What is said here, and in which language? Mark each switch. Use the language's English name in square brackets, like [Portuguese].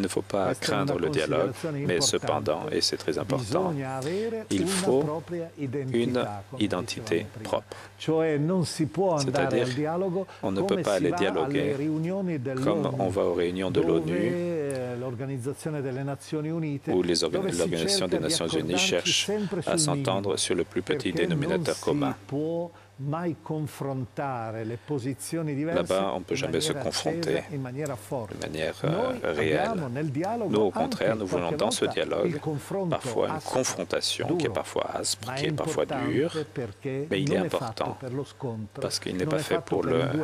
[French] ne faut pas craindre le dialogue, mais cependant, et c'est très important, il faut une identité propre. C'est-à-dire, on ne peut pas aller dialoguer comme on va aux réunions de l'ONU où l'Organisation des Nations Unies cherche à s'entendre sur le plus petit dénominateur commun. [Italian] Mai confrontare le posizioni diverse. [French] Là-bas, on ne peut jamais se confronter [Italian] in maniera forte. [French] De manière réelle. Nous, au contraire, nous voulons dans ce dialogue parfois une confrontation qui est parfois aspre, qui est parfois dure, mais il est important parce qu'il n'est pas fait pour le...